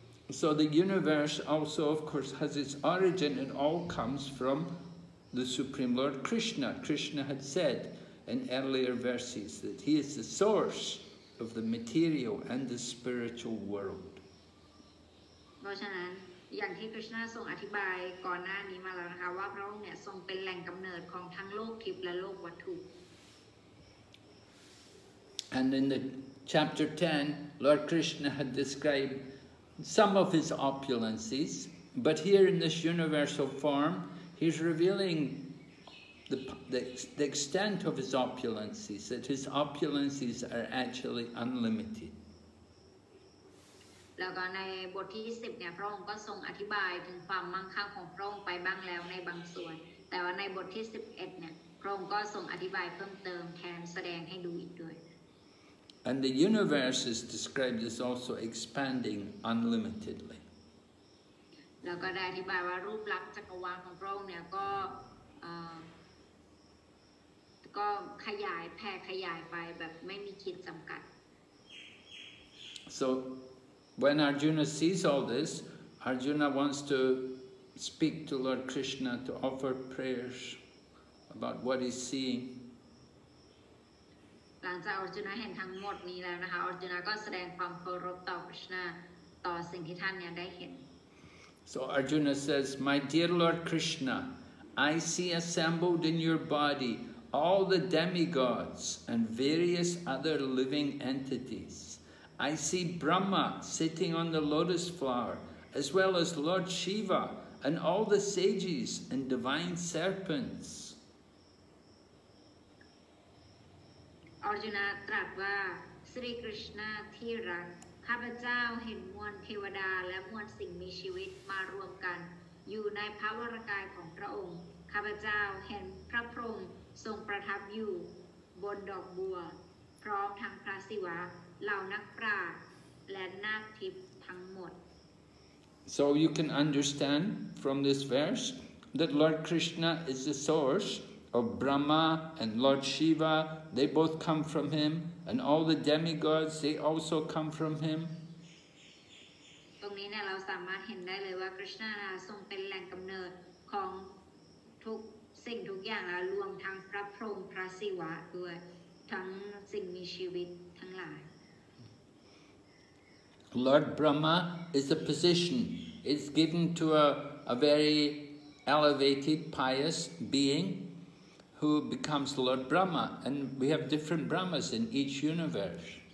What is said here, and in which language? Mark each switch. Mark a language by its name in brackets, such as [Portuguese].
[English] So the universe also, of course, has its origin. It all comes from the Supreme Lord Krishna. Krishna had said in earlier verses that he is the source of the material and the spiritual world. [Thai] เพราะฉะนั้นอย่างที่ Krishna ทรงอธิบายก่อนหน้านี้มาแล้วนะคะว่าพระองค์เนี่ยทรงเป็นแหล่งกำเนิดของทั้งโลกทิพย์และโลกวัตถุ [English] And in the chapter 10, Lord Krishna had described some of his opulences, but here in this universal form, he's revealing the extent of his opulences, that his opulences are actually unlimited. [Thai] แล้วก็ในบทที่10เนี่ยพระองค์ก็ทรงอธิบายถึงความมั่งคั่งของพระองค์ไปบ้างแล้วในบางส่วนแต่ว่าในบทที่11เนี่ยพระองค์ก็ทรงอธิบายเพิ่มเติมแถมแสดงให้ดูอีกด้วย [English] And the universe is described as also expanding unlimitedly. [Thai] แล้วก็ได้อธิบายว่ารูปลักษณ์จักรวาลของพระองค์เนี่ยก็ขยายแผ่ขยายไปแบบไม่มีขีดจำกัด [English] So when Arjuna sees all this, Arjuna wants to speak to Lord Krishna to offer prayers about what he's seeing. [Thai] หลังจากอร์จุนะเห็นทั้งหมดนี้แล้วนะคะอร์จุนะก็แสดงความเคารพต่อคริชนาต่อสิ่งที่ท่านเนี่ยได้เห็น [English] So Arjuna says My dear Lord Krishna I see assembled in your body all the demigods and various other living entities I see Brahma sitting on the lotus flower as well as Lord Shiva and all the sages and divine serpents [Thai] อรจุนะตรัสว่าสิริกฤษณาที่รักข้าพเจ้าเห็นมวลเทวดาและมวลสิ่งมีชีวิตมารวมกันอยู่ในพระวรกายของพระองค์ข้าพเจ้าเห็นพระพรหมทรงประทับอยู่บนดอกบัวพร้อมทั้งพระศิวะเหล่านักปราชญ์และนาคทิพย์ทั้งหมด [English] So you can understand from this verse that Lord Krishna is the sourceOf Brahma and Lord Shiva, they both come from him, and all the demigods, they also come from him. [Thai] ตรงนี้เนี่ยเราสามารถเห็นได้เลยว่าคริชนาทรงเป็นแหล่งกำเนิดของทุกสิ่งทุกอย่างรวมทั้งพระพรหมพระศิวะด้วยทั้งสิ่งมีชีวิตทั้งหลาย [English] Lord Brahma is a position. It's given to a very elevated, pious being. Who becomes Lord Brahma, and we have different Brahmas in each universe.